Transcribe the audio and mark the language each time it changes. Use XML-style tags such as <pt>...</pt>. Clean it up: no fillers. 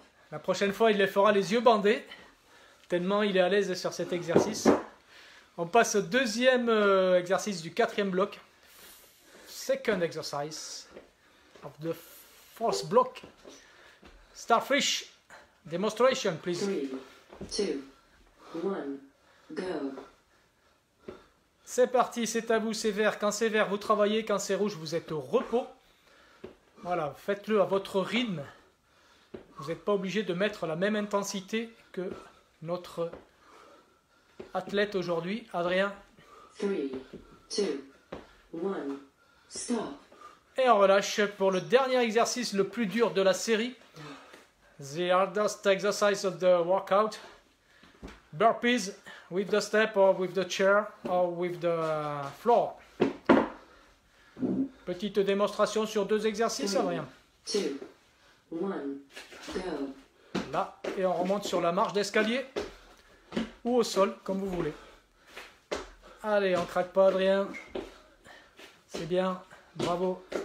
<fr>La prochaine fois, il les fera les yeux bandés, tellement il est à l'aise sur cet exercice. On passe au deuxième exercice du quatrième bloc.</fr> <en>Second exercise of the fourth block. Starfish, demonstration, please. 3, 2, 1, go.</en> <fr>C'est parti, c'est à vous, c'est vert. Quand c'est vert, vous travaillez. Quand c'est rouge, vous êtes au repos. Voilà, faites-le à votre rythme. Vous n'êtes pas obligé de mettre la même intensité que notre athlète aujourd'hui, Adrien.</fr> <en>3, 2, 1, stop.</en> <fr>Et on relâche pour le dernier exercice le plus dur de la série.</fr> <en>The hardest exercise of the workout. Burpees with the step or with the chair or with the floor.</en> <fr>Petite démonstration sur deux exercices, Adrien. 3, 2, 1. Là, et on remonte sur la marche d'escalier ou au sol, comme vous voulez. Allez, on craque pas, Adrien. C'est bien, bravo.</fr>